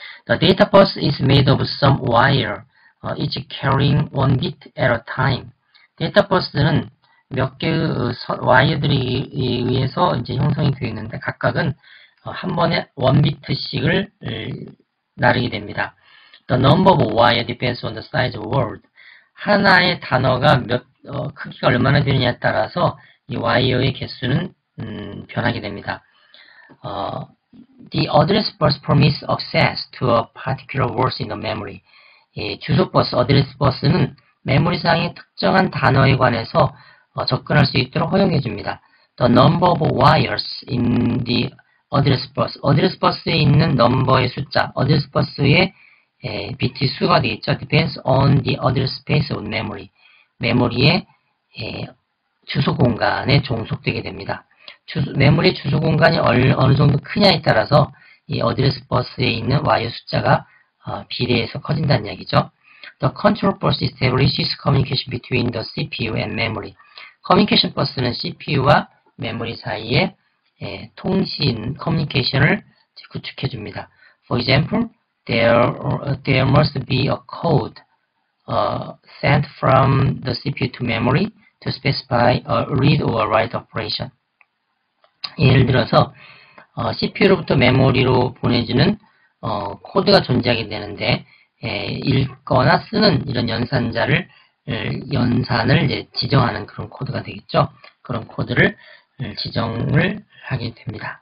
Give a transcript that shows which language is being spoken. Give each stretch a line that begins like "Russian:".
English: The data bus is made of some wire, each carrying one bit at a time.
Korean: 데이터 버스는 몇 개의 와이어들에 의해서 이제 형성이 되어 있는데 각각은 한 번에 1비트씩을 나르게 됩니다.
English: The number of wire depends on the size of word.
Korean: 하나의 단어가 크기가 얼마나 되느냐에 따라서 이 와이어의 개수는 변하게 됩니다.
English: The address bus permits access to a particular word in the memory.
Korean: 주소 버스, address bus는 메모리상의 특정한 단어에 관해서 접근할 수 있도록 허용해 줍니다.
English: The number of wires in the address bus.
Korean: address bus에 있는 넘버의 숫자, address bus의 비트 수가 되겠죠.
English: depends on the address space of memory.
Korean: 메모리의 주소 공간에 종속되게 됩니다. 메모리 주소 공간이 어느 정도 크냐에 따라서 이 address bus에 있는 와이어 숫자가 비례해서 커진다는 얘기죠.
English: The control bus establishes communication between the CPU and memory.
Korean: 커뮤니케이션 버스는 CPU와 메모리 사이에 통신, 커뮤니케이션을 구축해 줍니다.
English: For example, there must be a code sent from the CPU to memory to specify a read or write operation.
Korean: 예를 들어서 CPU로부터 메모리로 보내주는 코드가 존재하게 되는데 읽거나 쓰는 이런 연산을 이제 지정하는 그런 코드가 되겠죠. 그런 코드를 지정을 하게 됩니다.